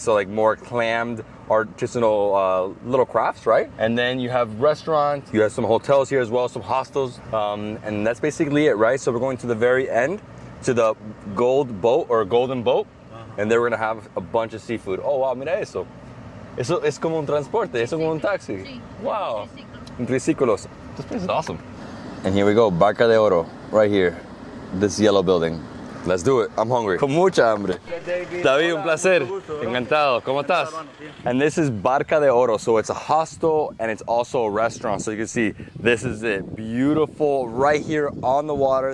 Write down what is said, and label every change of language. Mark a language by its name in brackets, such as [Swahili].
[English] So like more clammed, artisanal little crafts, right? And then you have restaurants, you have some hotels here as well, some hostels, and that's basically it, right? So we're going to the very end, to the gold boat or golden boat, and there we're gonna have a bunch of seafood. [Spanish] Oh wow, mira eso. Eso es como un transporte, eso es como un taxi. Sí. [English] Wow. Triciclos. This place is awesome. And here we go, Barca de Oro, right here, this yellow building. Let's do it. I'm hungry. [Spanish] Con mucha hambre. David, un placer. Encantado. ¿Cómo estás? [English] And this is Barca de Oro, so it's a hostel and it's also a restaurant. So you can see, this is it. Beautiful, right here on the water.